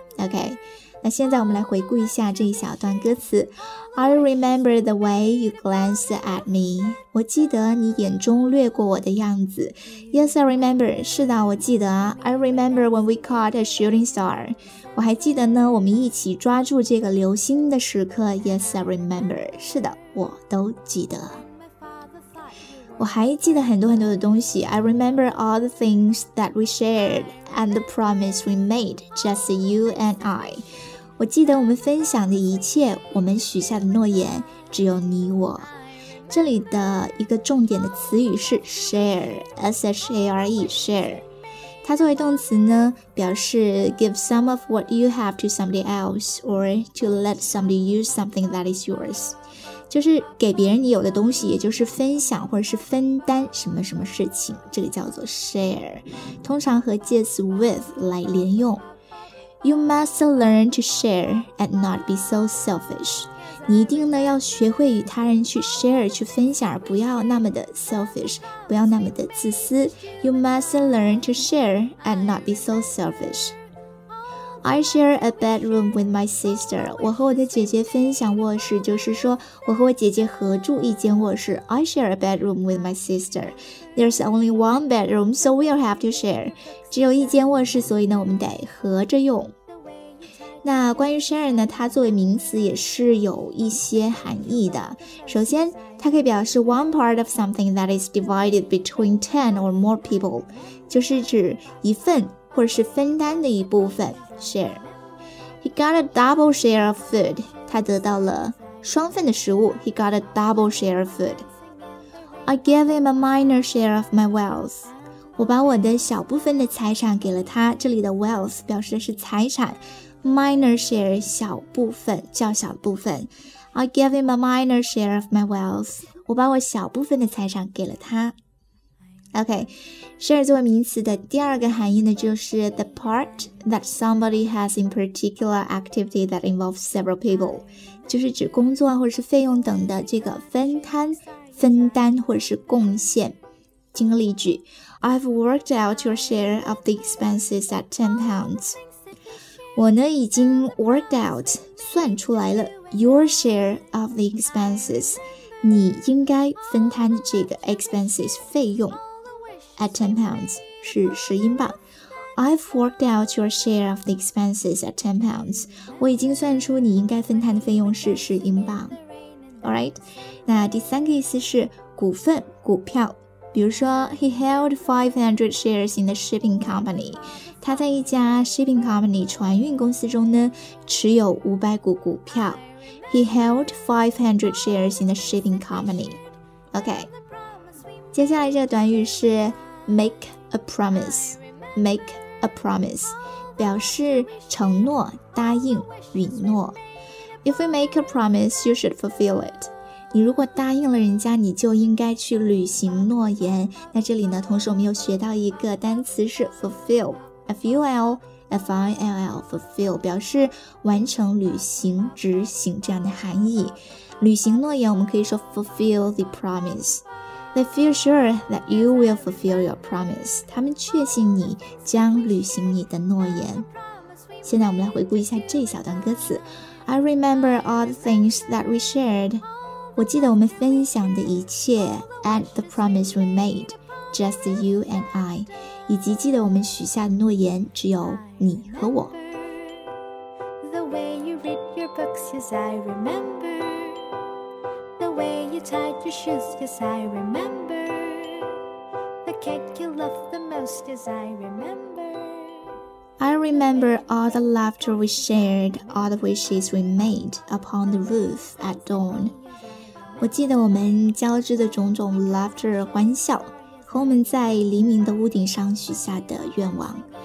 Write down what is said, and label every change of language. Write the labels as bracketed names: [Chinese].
[Chinese] OK， 那现在我们来回顾一下这一小段歌词。 [English] I remember the way you glanced at me， [Chinese] 我记得你眼中掠过我的样子。 [English] Yes I remember， [Chinese] 是的我记得。 [English] I remember when we caught a shooting star， [Chinese] 我还记得呢我们一起抓住这个流星的时刻。 [English] Yes I remember， [Chinese] 是的我都记得。我还记得很多很多的东西。 [English] I remember all the things that we shared and the promise we made, just you and I。 [Chinese] 我记得我们分享的一切，我们许下的诺言，只有你我。这里的一个重点的词语是 share, S-H-A-R-E, share。它作为动词呢，表示 [English] give some of what you have to somebody else or to let somebody use something that is yours， [Chinese] 就是给别人你有的东西，也就是分享或者是分担什么什么事情，这个叫做 share， 通常和介词 with 来连用。 [English] You must learn to share and not be so selfish， [Chinese] 你一定呢要学会与他人去 share 去分享，不要那么的 selfish， 不要那么的自私。 [English] You must learn to share and not be so selfishI share a bedroom with my sister， [Chinese] 我和我的姐姐分享卧室，就是说我和我姐姐合住一间卧室。 [English] I share a bedroom with my sister， There's only one bedroom so we'll have to share， [Chinese] 只有一间卧室，所以呢我们得合着用。那关于 share 呢，它作为名词也是有一些含义的。首先它可以表示 [English] one part of something that is divided between 10 or more people， [Chinese] 就是指一份或者是分担的一部分。 Share. [English] He got a double share of food. [Chinese] 他得到了双份的食物。 [English] He got a double share of food. I gave him a minor share of my wealth. [Chinese] 我把我的小部分的财产给了他。这里的 wealth 表示的是财产。 Minor share 小部分，较小部分。 [English] I gave him a minor share of my wealth. [Chinese] 我把我小部分的财产给了他。OK,share 作为名词的第二个含义呢，就是 [English] the part that somebody has in particular activity that involves several people， [Chinese] 就是指工作或者是费用等的这个分摊、分担或者是贡献。听个例句 [English] ,I've worked out your share of the expenses at £10. [Chinese] 我呢已经 [English] worked out, [Chinese] 算出来了 [English] your share of the expenses, [Chinese] 你应该分摊这个 expenses 费用 [English] at 10 pounds [Chinese] 是十英镑。 [English] I've worked out your share of the expenses at 10 pounds. [Chinese] 我已经算出你应该分摊的费用是10英镑。 [English] Alright? [Chinese] 那第三个意思是股份、股票。比如说 [English] He held 500 shares in the shipping company. [Chinese] 他在一家 shipping company 船运公司中呢持有500股股票。 [English] He held 500 shares in the shipping company. OK. [Chinese] 接下来这个短语是 make a promise. Make a promise 表示承诺答应允诺 [English] If you make a promise you should fulfill it [Chinese] 你如果答应了人家你就应该去履行诺言那这里呢同时我们又学到一个单词是 fulfill F-U-L-F-I-L-L fulfill 表示完成履行执行这样的含义履行诺言我们可以说 [English] fulfill the promiseThey feel sure that you will fulfill your promise. [Chinese] 他们确信你将履行你的诺言。现在我们来回顾一下这一小段歌词。 [English] I remember all the things that we shared. [Chinese] 我记得我们分享的一切 [English] and the promise we made, just you and I. [Chinese] 以及记得我们许下的诺言只有你和我。 [English] The way you read your books, yes, I remember. The way you tied your shoes, yes, I remember. The cake you loved the most, yes, I remember. I remember all the laughter we shared, all the wishes we made upon the roof at dawn. [Chinese] 我记得我们交织的种种 laughter 欢笑和我们在黎明的屋顶上许下的愿望。